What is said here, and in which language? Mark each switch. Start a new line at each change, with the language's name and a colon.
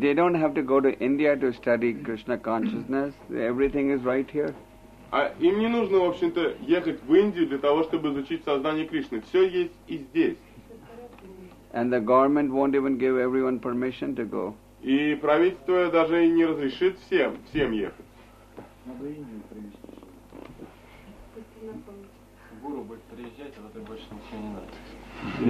English: They don't have to go to India to study Krishna consciousness. Everything is right here.
Russian: Им не нужно, в общем-то, ехать в Индию для того, чтобы изучить сознание Кришны. Все есть и здесь.
English: And the government won't even give everyone permission to go.
Russian: И правительство даже и не разрешит всем ехать. Надо Индию привезти. Гуру будет приезжать, а вот и больше ничего не надо.